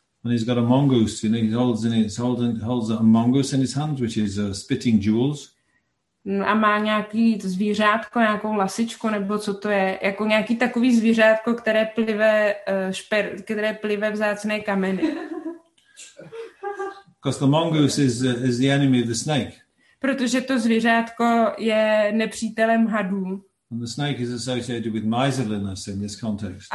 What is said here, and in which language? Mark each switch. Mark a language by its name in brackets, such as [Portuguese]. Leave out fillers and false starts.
[English] And he's got a mongoose, you know, he holds a mongoose in his hands, which is spitting jewels. [Czech] A má nějaký zvířátko, nějakou lasičku, nebo co to je, jako nějaký takový zvířátko, které plive které plive vzácné kameny. [English] Because the mongoose is the enemy of the snake. [Czech] Protože to zvířátko je nepřítelem hadů. [English] And the snake is associated with miserliness in this context.